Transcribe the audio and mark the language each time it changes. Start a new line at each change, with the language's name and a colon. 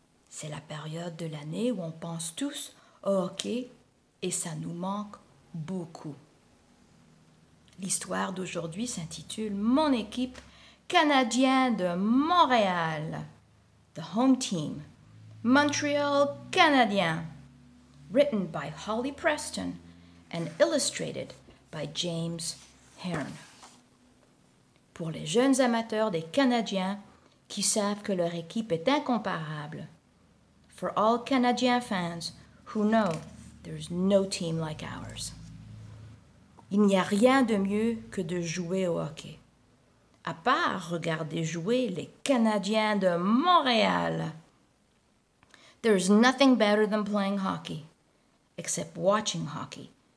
French: C'est la période de l'année où on pense tous au hockey et ça nous manque beaucoup. L'histoire d'aujourd'hui s'intitule « Mon équipe canadienne de Montréal ».
English: The Home Team, Montreal Canadiens. Written by Holly Preston and illustrated by James Hearn.
French: Pour les jeunes amateurs des Canadiens qui savent que leur équipe est incomparable.
English: For all Canadian fans who know there's no team like ours.
French: Il n'y a rien de mieux que de jouer au hockey. À part regarder jouer les Canadiens de Montréal.
English: There's nothing better than playing hockey, except watching hockey.